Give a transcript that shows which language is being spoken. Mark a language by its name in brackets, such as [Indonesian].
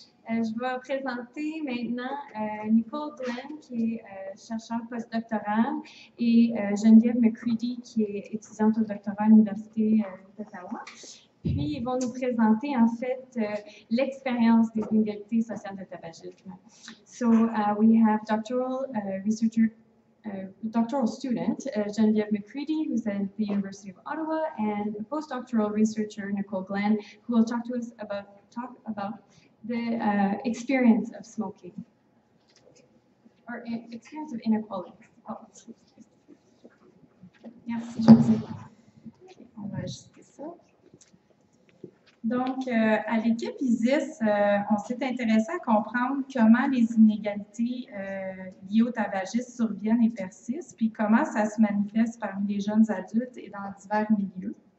[French] je vais présenter maintenant Nicole Glenn, qui est chercheure postdoctorale, et Geneviève McCready, qui est étudiante au doctorat à l'Université d'Ottawa. Puis, ils vont nous présenter, en fait, l'expérience des inégalités sociales de tabagisme. [English] So, we have doctoral researcher doctoral student Geneviève McCready, who's at the University of Ottawa, and a postdoctoral researcher Nicole Glenn, who will talk to us about the experience of smoking or experience of inequality. Oh. [French] Yes, donc à l'équipe ISIS, on s'est intéressé à comprendre comment les inégalités liées au tabagisme surviennent et persistent, puis comment ça se manifeste parmi les jeunes adultes et dans divers milieux.